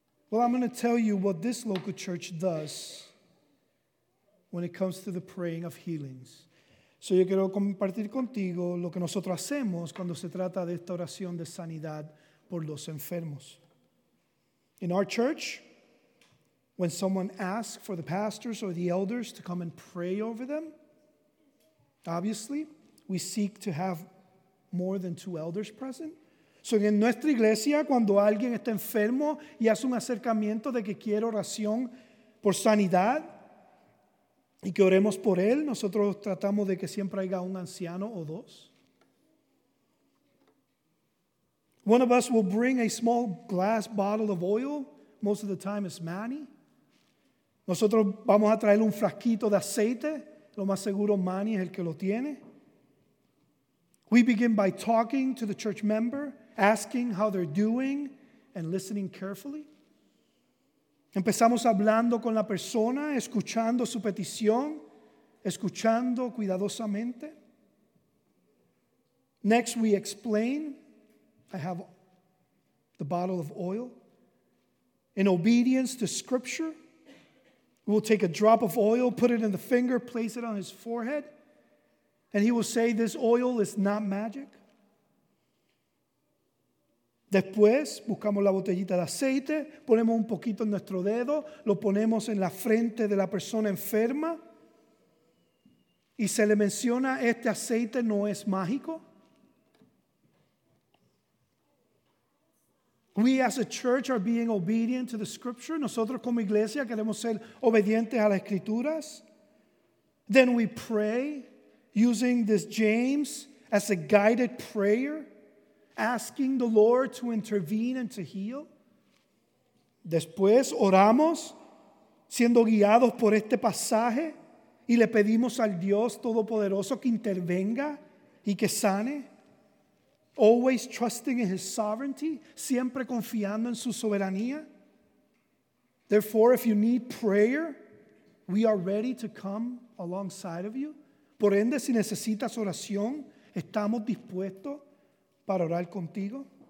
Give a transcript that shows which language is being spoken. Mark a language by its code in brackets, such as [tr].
[en] Well, I'm going to tell you what this local church does when it comes to the praying of healings. [es] So yo quiero compartir contigo lo que nosotros hacemos cuando se trata de esta oración de sanidad por los enfermos. [en] In our church, when someone asks for the pastors or the elders to come and pray over them, obviously, we seek to have more than two elders present. [es] So en nuestra iglesia, cuando alguien está enfermo y hace un acercamiento de que quiere oración por sanidad y que oremos por él, nosotros tratamos de que siempre haya un anciano o dos. [en] One of us will bring a small glass bottle of oil. Most of the time it's Manny. [es] Nosotros vamos a traer un frasquito de aceite Lo más seguro, Manny es el que lo tiene. [en] We begin by talking to the church member, asking how they're doing, and listening carefully. [es] Empezamos hablando con la persona, escuchando su petición, escuchando cuidadosamente. [en] Next, we explain. I have the bottle of oil. In obedience to Scripture, we will take a drop of oil, put it in the finger, place it on his forehead, and he will say, this oil is not magic. [es] Después, buscamos la botellita de aceite, ponemos un poquito en nuestro dedo, lo ponemos en la frente de la persona enferma, y se le menciona, este aceite no es mágico. [en] We as a church are being obedient to the Scripture. [es] Nosotros como iglesia queremos ser obedientes a las Escrituras. [en] Then we pray using this James as a guided prayer, asking the Lord to intervene and to heal. [es] Después oramos siendo guiados por este pasaje y le pedimos al Dios Todopoderoso que intervenga y que sane. [en] Always trusting in his sovereignty, [es] siempre confiando en su soberanía. [en] Therefore, if you need prayer, we are ready to come alongside of you. [es] Por ende, si necesitas oración, estamos dispuestos para orar contigo.